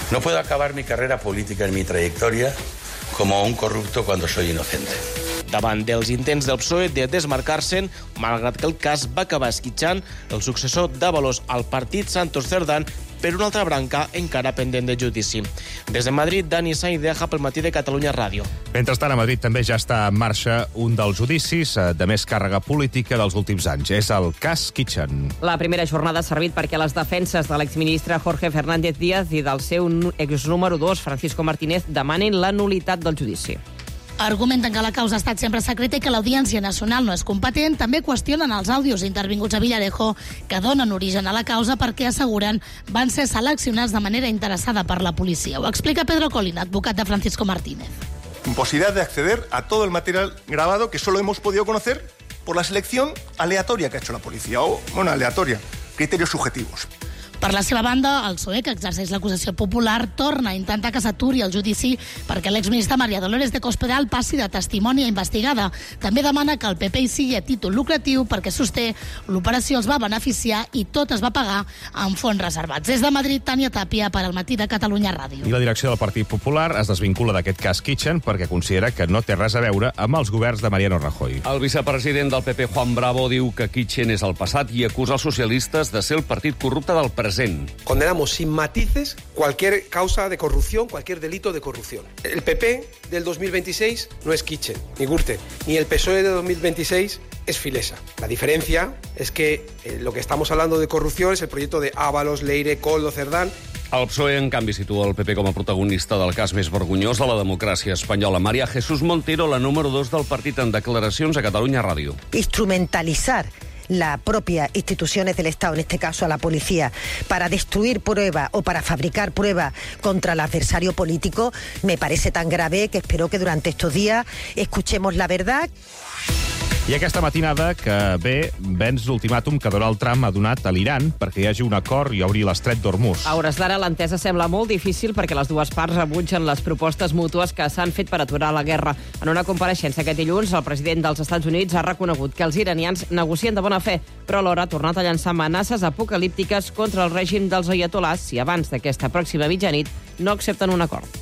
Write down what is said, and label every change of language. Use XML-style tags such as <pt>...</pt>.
<es>No puedo acabar mi carrera política en mi trayectoria como un corrupto cuando soy inocente.</es> <ca>Davant dels intents del PSOE de desmarcar-se'n, malgrat que el cas va acabar esquitxant, el successor d'Ábalos al partit Santos Cerdán per una altra branca encara pendent de judici. Des de Madrid, Dani Sainz deja pel matí de Catalunya Ràdio. Mentrestant, a Madrid també ja està en marxa un dels judicis de més càrrega política dels últims anys. És el cas Kitchen. La primera jornada ha servit perquè les defenses de l'exministre Jorge Fernández Díaz i del seu exnúmero 2, Francisco Martínez, demanen la nul·litat del judici. Argumenten que la causa ha estat sempre secreta i que l'Audiència Nacional no és competent. També qüestionen els àudios intervinguts a Villarejo que donen origen a la causa perquè, asseguren, van ser seleccionats de manera interessada per la policia. Ho explica Pedro Colina, advocat de Francisco Martínez.</ca> <es>Imposibilidad de acceder a todo el material grabado que solo hemos podido conocer por la selección aleatoria que ha hecho la policía. O, bueno, aleatoria, criterios subjetivos.</es> <ca>Per la seva banda, el PSOE, que exerceix l'acusació popular, torna a intentar que s'aturi el judici perquè l'exministra Maria Dolores de Cospedal passi de testimoni a investigada. També demana que el PP hi sigui a títol lucratiu perquè sosté l'operació els va beneficiar i tot es va pagar amb fons reservats. Des de Madrid, Tània Tàpia, per al matí de Catalunya Ràdio. I la direcció del Partit Popular es desvincula d'aquest cas Kitchen perquè considera que no té res a veure amb els governs de Mariano Rajoy. El vicepresident del PP, Juan Bravo, diu que Kitchen és el passat i acusa els socialistes de ser el partit corrupte del present.</ca> <es>Condenamos sin matices cualquier causa de corrupción, cualquier delito de corrupción. El PP del 2026 no es Kitchen, ni Gürtel, ni el PSOE de 2026 es Filesa. La diferencia es que lo que estamos hablando de corrupción es el proyecto de Ábalos, Leire, Koldo, Cerdán.</es> <ca>El PSOE, en canvi, situa el PP com a protagonista del cas més vergonyós de la democràcia espanyola. María Jesús Montero, la número 2 del partit, en declaracions a Catalunya Ràdio.</ca> <es>Instrumentalizar la propia instituciones del Estado, en este caso a la policía, para destruir prueba o para fabricar prueba contra el adversario político, me parece tan grave que espero que durante estos días escuchemos la verdad.</es> <ca>I aquesta matinada que ve venç l'ultimàtum que Donald Trump ha donat a l'Iran perquè hi hagi un acord i obri l'estret d'Hormuz. A hores d'ara l'entesa sembla molt difícil perquè les dues parts rebutgen les propostes mútues que s'han fet per aturar la guerra. En una compareixença aquest dilluns, el president dels Estats Units ha reconegut que els iranians negocien de bona fe, però alhora ha tornat a llançar amenaces apocalíptiques contra el règim dels ayatolàs si abans d'aquesta pròxima mitjanit no accepten un acord.</ca>